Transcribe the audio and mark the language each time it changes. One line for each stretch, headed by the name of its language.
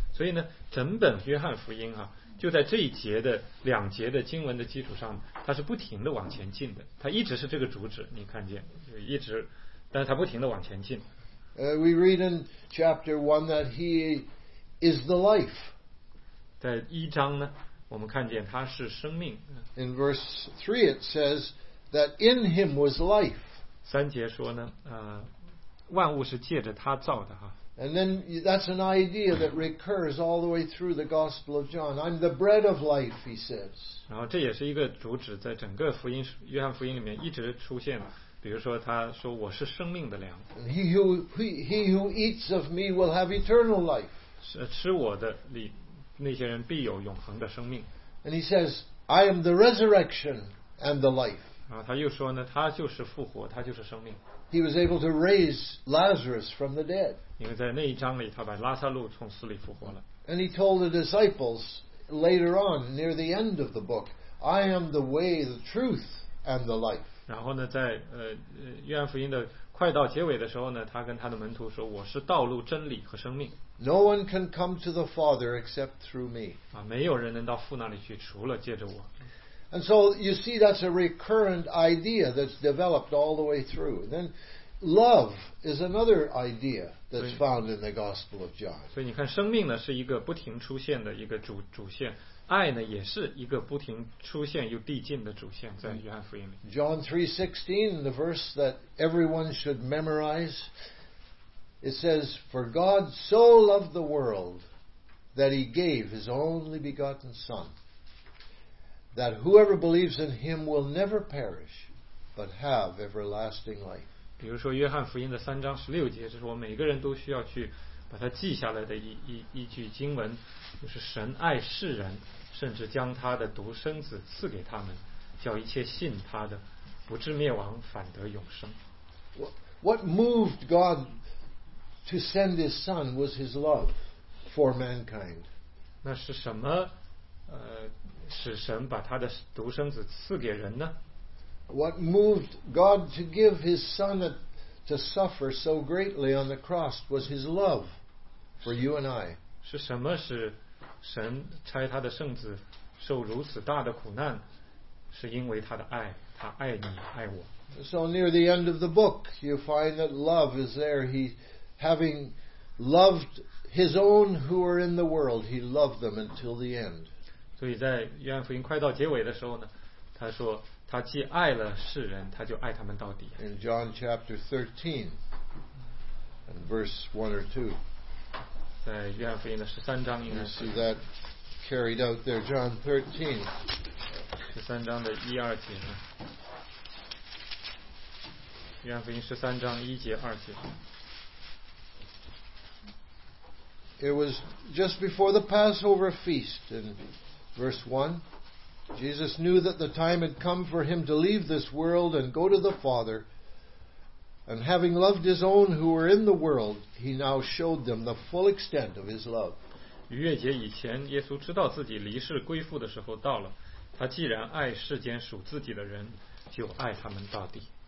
Chinese: 所以呢，整本约翰福音啊，就在这一节的两节的经文的基础上，它是不停的往前进的。它一直是这个主旨，你看见，就一直，但是它不停的往前进。
English: We read in chapter 1 that he is the life.
Chinese: 在一章呢，我们看见他是生命。
English: In verse 3 it says that in him was life.
Chinese: 三节说呢，万物是借着他造的哈。
English: And then that's an idea that recurs all the way through the Gospel of John. I'm the bread of life, he says.
Chinese: 然后这也是一个主旨，在整个福音约翰福音里面一直出现的。比如说他说我是生命的粮。
English: And he who eats of me will have eternal life.
Chinese: 吃我的里那些人必有永恒的生命。
English: And he says, I am the resurrection and the life.
Chinese: 然后他又说呢，他就是复活，他就是生命。
English: He was able to raise Lazarus from the dead.
Chinese: 因为在那一章里，他把拉撒路从死里复活了。
English: And he told the disciples later on, near the end of the book, I am the way, the truth, and the life.
Chinese: 然后呢，在约翰福音的快到结尾的时候呢，他跟他的门徒说，我是道路、真理和生命。
English: No one can come to the Father except through me.
Chinese: 啊，没有人能到父那里去，除了借着我。
English: And so you see that's a recurrent idea that's developed all the way through. And then love is another idea that's found in the Gospel of John.
Chinese: 所以你看生命呢是一个不停出现的一个主线，爱呢也是一个不停出现又递进的主线在约翰福音里。
English: John 3:16, the verse that everyone should memorize, it says, For God so loved the world that he gave his only begotten Son. That whoever believes in him will never perish, but have everlasting life.
Chinese: 比如说约翰福音的三章十六节，这是我每个人都需要去把它记下来的一句经文，就是神爱世人，甚至将他的独生子赐给他们，叫一切信他的不至灭亡，反得永生。
English: What moved God to send his son was his love for mankind.
Chinese: 那是什么？使神把他的独生子赐给人呢？
English: What moved God to give his son to suffer so greatly on the cross was his love for you and I.
Chinese: 是什么使神差他的圣子受如此大的苦难？是因为他的爱，他爱你，爱我。
English: So near the end of the book, you find that love is there. He, having loved his own who are in the world, he loved them until the end.
Chinese: 所以在约翰福音快到结尾的时候呢，他说他既爱了世人，他就爱他们到底。
English: In John chapter 13 and verse 1 or 2,
Chinese: 在约翰福音的十三章应该是。
English: You see that carried out there, John 13.
Chinese: 十三章的一二节呢，约翰福音十三章一节二节。
English: It was just before the Passover feast and Verse 1, Jesus knew that the time had come for him to leave this world and go to the Father. And having loved his own who were in the world, he now showed them the full extent of his love.
Chinese: 逾越节以前，耶稣知道自己离世归父的时候到了。他既然爱世间属自己的人，就爱他们到底。